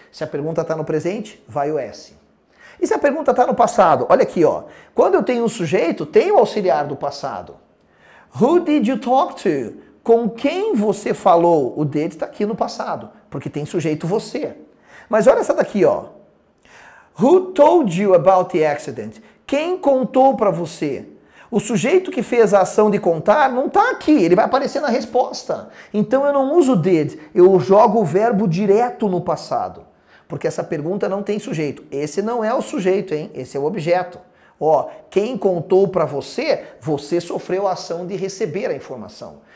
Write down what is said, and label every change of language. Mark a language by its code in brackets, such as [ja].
[pt] Se a pergunta está no presente, vai o S. E se a pergunta está no passado? Olha aqui, ó. Quando eu tenho um sujeito, tem o auxiliar do passado. [en] Who did you talk to? [pt] Com quem você falou? O did está aqui no passado, porque tem sujeito você. Mas olha essa daqui, ó. [en] Who told you about the accident? [pt] Quem contou para você? O sujeito que fez a ação de contar não está aqui, ele vai aparecer na resposta. Então eu não uso did, eu jogo o verbo direto no passado. Porque essa pergunta não tem sujeito. Esse não é o sujeito, hein? Esse é o objeto. Ó, quem contou para você, você sofreu a ação de receber a informação.